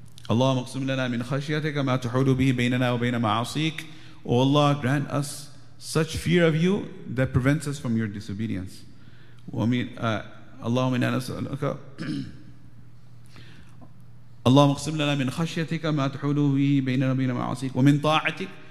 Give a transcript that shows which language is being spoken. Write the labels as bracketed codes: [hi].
[ar] اللهم اقسم لنا من خشيتك ما تحول به بيننا وبين معاصيك. [en] Oh Allah, grant us such fear of you that prevents us from your disobedience. [ar] اللهم إنا نسألك اللهم اقسم لنا من خشيتك ما تحول به بيننا وبين معاصيك ومن طاعتك.